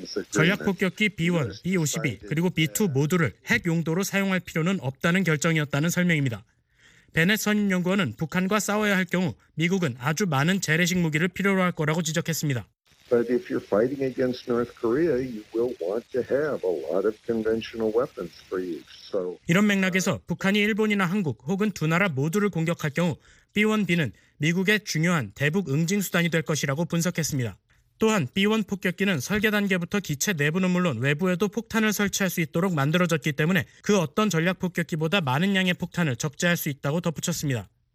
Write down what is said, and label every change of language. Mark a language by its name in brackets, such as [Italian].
[Korean] 전략폭격기 B-1, B-52 그리고 B-2 모두를 핵 용도로 사용할 필요는 없다는 결정이었다는 설명입니다. 베넷 선임연구원은 북한과 싸워야 할 경우 미국은 아주 많은 재래식 무기를 필요로 할 거라고 지적했습니다. [English] But if you're fighting against North Korea, you will want to have a lot of conventional weapons for use. So [Korean] 이런 맥락에서 북한이 일본이나 한국 혹은 두 나라 모두를 공격할 경우 B-1B는 미국의 중요한 대북 응징 수단이 될 것이라고 분석했습니다. 또한 B-1 폭격기는 설계 단계부터 기체 내부는 물론 외부에도 폭탄을 설치할 수 있도록 만들어졌기 때문에 그 어떤 전략 폭격기보다 많은 양의 폭탄을 적재할 수 있다고 덧붙였습니다.